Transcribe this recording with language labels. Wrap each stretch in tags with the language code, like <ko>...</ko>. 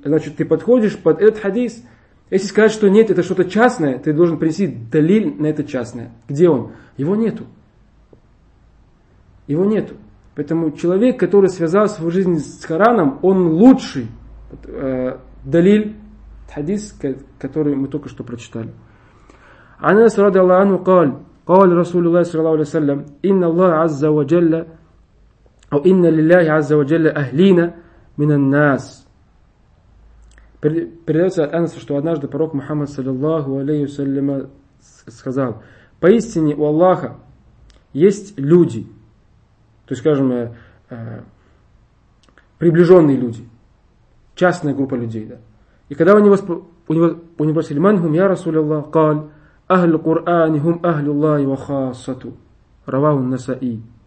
<ru>Значит, ты подходишь под этот хадис. Если сказать, что нет, это что-то частное, ты должен принести далиль на это частное. Где он? Его нету. Его нету. Поэтому человек, который связал свою жизнь с Кораном, он лучший. Далиль, хадис, который мы только что прочитали.</ru> <ar>Анас ради Аллаху قال رسول الله صلى الله عليه وسلم إن الله عز وجل أو إن لله عز وجل أهلنا من الناس.</ar> <ru>Передается от Анаса, что однажды пророк Мухаммад саллиллаху алейхи вассалям сказал: поистине у Аллаха есть люди, то есть, скажем, приближенные люди, частная группа людей. Да. И когда у него спросили:</ru> <ar>«Ман хум я Расул Аллах?» قال أهل القرآن هم أهل الله وخاصته رواه النسائي.</ar>